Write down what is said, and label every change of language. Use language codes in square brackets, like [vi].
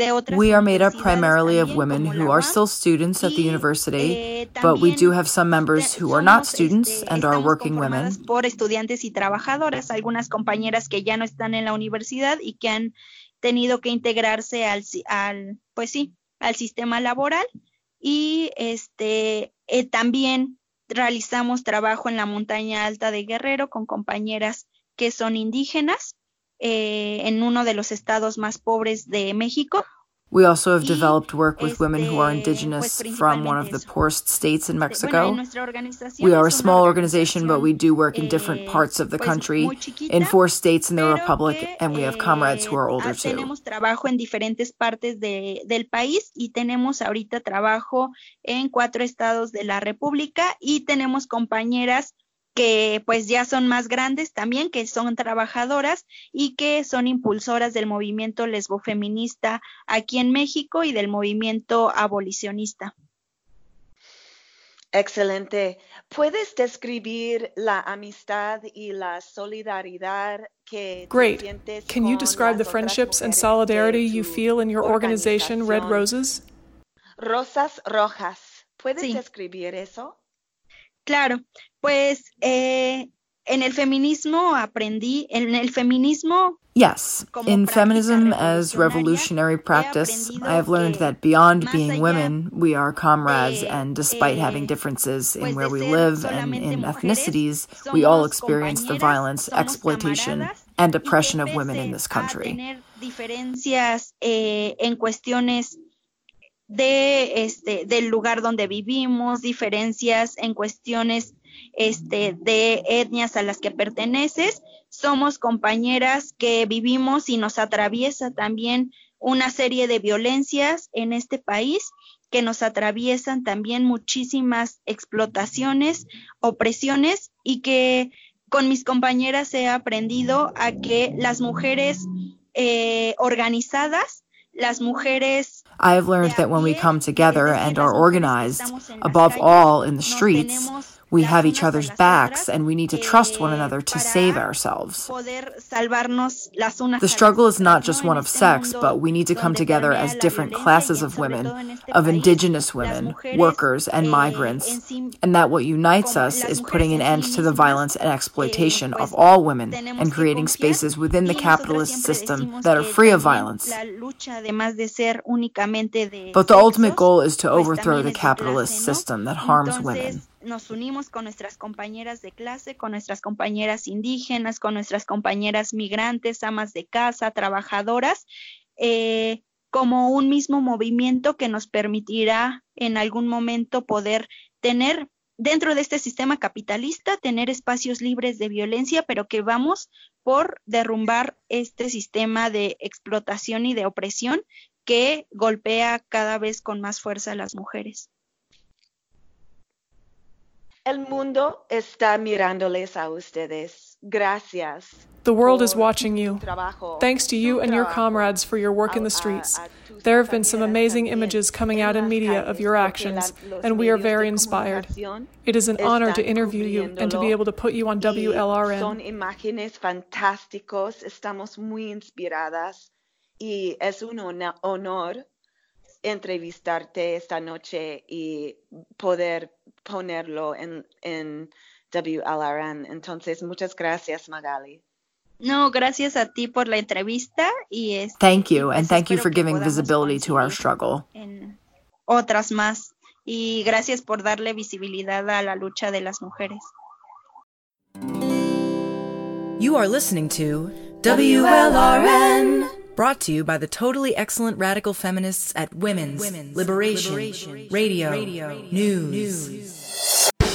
[en] We are made up primarily of women who are still students at the university, but we do have some members who are not students and are working women. [es] Por estudiantes y trabajadoras, algunas compañeras que ya no están en la universidad y que han tenido que integrarse al sistema laboral y también realizamos trabajo en la montaña alta de Guerrero con compañeras que son indígenas. En uno de los estados más pobres de México. [en] We also have developed work with women who are indigenous [es] pues [en] from one of the poorest states in Mexico. [es] Bueno, [en] we are a small organization, but we do work in different parts of the country, [es] chiquita, [en] in four states in the Republic, and we have comrades who are older too. [es] Tenemos trabajo en diferentes partes del país y tenemos ahorita trabajo en cuatro estados de la República y tenemos compañeras que pues ya son más grandes también, que son trabajadoras y que son impulsoras del movimiento lesbofeminista aquí en México y del movimiento abolicionista. Excelente. ¿Puedes describir la amistad y la solidaridad que [en] Great. [es] Sientes [en] Great. Can you describe the friendships and solidarity you feel in your organization, Red Roses? [es] Rosas Rojas. ¿Puedes sí. describir eso? Claro, pues en el feminismo aprendí, en el feminismo... [en] Yes, in feminism as revolutionary practice, I have learned that beyond being women, we are comrades, and despite having differences in where we live and in ethnicities, we all experience the violence, exploitation, and oppression of women in this country. [es] Diferencias en cuestiones... de del lugar donde vivimos, diferencias en cuestiones de etnias a las que perteneces, somos compañeras que vivimos y nos atraviesa también una serie de violencias en este país que nos atraviesan también muchísimas explotaciones, opresiones y que con mis compañeras he aprendido a que las mujeres organizadas, las mujeres [en] I have learned that when we come together and are organized, above all in the streets, we have each other's backs and we need to trust one another to save ourselves. The struggle is not just one of sex, but we need to come together as different classes of women, of indigenous women, workers, and migrants, and that what unites us is putting an end to the violence and exploitation of all women and creating spaces within the capitalist system that are free of violence. But the ultimate goal is to overthrow the capitalist system that harms women. [es] Nos unimos con nuestras compañeras de clase, con nuestras compañeras indígenas, con nuestras compañeras migrantes, amas de casa, trabajadoras, como un mismo movimiento que nos permitirá en algún momento poder tener dentro de este sistema capitalista, tener espacios libres de violencia, pero que vamos por derrumbar este sistema de explotación y de opresión que golpea cada vez con más fuerza a las mujeres. El mundo está mirándoles a ustedes. Gracias. [en] The world is watching you. Thanks to you and your comrades for your work in the streets. There have been some amazing images coming out in media of your actions, and we are very inspired. It is an honor to interview you and to be able to put you on WLRN. [es] Son imágenes fantásticos. Estamos muy inspiradas. Y es un honor entrevistarte esta noche y poder ponerlo en WLRN. Entonces, muchas gracias, Magali. No, gracias a ti por la entrevista y [en] thank you, and thank you for giving visibility to our struggle. [es] Otras más. Y gracias por darle visibilidad a la lucha de las mujeres. [en] You are listening to WLRN, brought to you by the totally excellent radical feminists at Women's Liberation Radio News.